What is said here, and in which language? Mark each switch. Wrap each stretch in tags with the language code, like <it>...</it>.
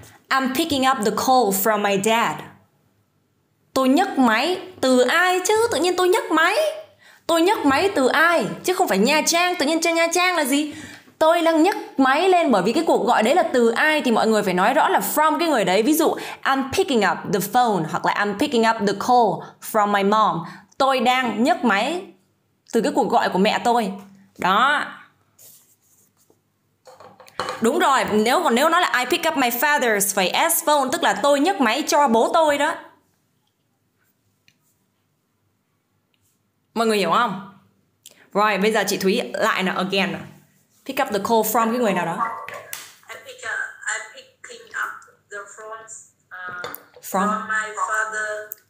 <en>I'm picking up the call from my dad.</en> <vi>Tôi nhấc máy từ ai chứ? Tự nhiên tôi nhấc máy. Tôi nhấc máy từ ai chứ không phải Nha Trang. Tự nhiên Nha Trang là gì? Tôi đang nhấc máy lên bởi vì cái cuộc gọi đấy là từ ai thì mọi người phải nói rõ là from cái người đấy. Ví dụ,</vi> <en>I'm picking up the phone</en> <vi>hoặc là</vi> <en>I'm picking up the call from my mom.</en> <vi>Tôi đang nhấc máy từ cái cuộc gọi của mẹ tôi. Đó. Đúng rồi, nếu nói là</vi> <en>I pick up my father's</en> <vi>phải S phone, tức là tôi nhấc máy cho bố tôi đó. Mọi người hiểu không? Rồi, bây giờ chị Thúy lại nè, again nè.</vi> <en>Pick up the call from</en> <vi>cái người nào đó.</vi> <en>I'm picking up the phone from my father.</en>